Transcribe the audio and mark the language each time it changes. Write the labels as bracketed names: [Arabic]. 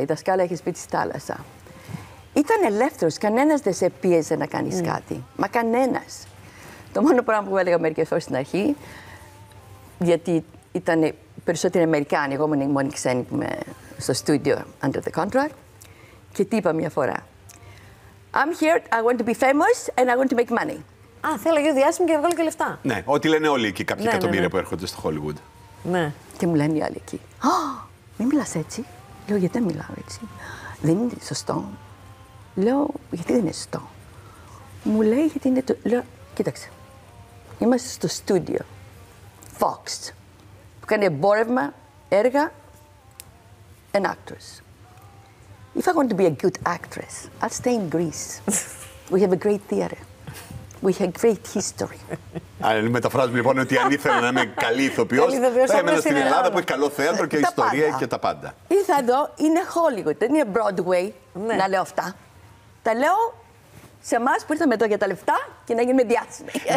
[Greek] Η δασκάλα έχει σπίτι στη θάλασσα. Ήταν ελεύθερος. Κανένας δεν σε πίεζε να κάνεις κάτι. Μα κανένας. Το μόνο πράγμα που έλεγα μερικές φορές στην αρχή, γιατί ήταν οι περισσότεροι Αμερικάνοι, εγώ ήμουν η μόνη ξένη που είμαι στο [English] studio under the contract. [Greek] Και τι είπα μια φορά. [English] I'm here, I want to be famous and I want to make money. [Greek] Α, θέλω γιο διάσημο και να βγάλω και λεφτά. Ναι, ό,τι λένε όλοι εκεί, κάποιοι εκατομμύρια που έρχονται στο Hollywood. Ναι. Και μου λένε οι άλλοι εκεί. Μην μιλάς έτσι. Λέω, γιατί δεν μιλάω έτσι. Δεν είναι σωστό. Λέω, γιατί δεν είναι σωστό. Μου λέει, γιατί είναι το. Λέω, κοίταξε. Είμαστε στο στούντιο. Fox. Που κάνει εμπόρευμα, έργα. [English] An actress. If I want to be a good actress, I'll stay in Greece. We have a great theater. We have great history. [Greek] Μεταφράζουμε λοιπόν ότι αν ήθελα να είμαι καλή ηθοποιός, θα έμενα στην Ελλάδα που έχει καλό θέατρο και ιστορία και τα πάντα. Ήρθα εδώ, είναι Hollywood, δεν είναι Broadway, να λέω αυτά. Τα λέω σε εμάς που ήρθαμε εδώ για τα λεφτά και να γίνουμε διάσημοι.